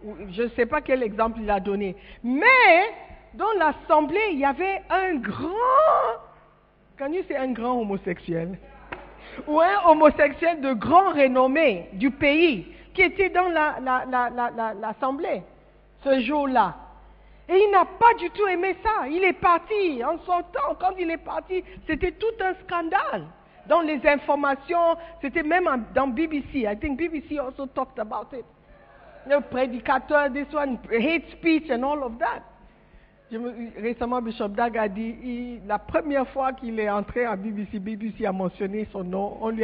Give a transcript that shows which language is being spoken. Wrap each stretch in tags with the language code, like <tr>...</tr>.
<fr>Je ne sais pas quel exemple il a donné. Mais dans l'assemblée, il y avait un grand, quand il c'est un grand homosexuel, ou un homosexuel de grand renommée du pays, qui était dans l'assemblée ce jour-là. Et il n'a pas du tout aimé ça. Il est parti en sortant. Quand il est parti, c'était tout un scandale. Dans les informations, c'était même dans BBC.</fr> <en>I think BBC also talked about it.</en> <fr>Le prédicateur,</fr> <en>this one, hate speech and all of that.</en> <fr>Récemment, Bishop Dag a dit, la première fois qu'il est entré à BBC, BBC a mentionné son nom.</fr>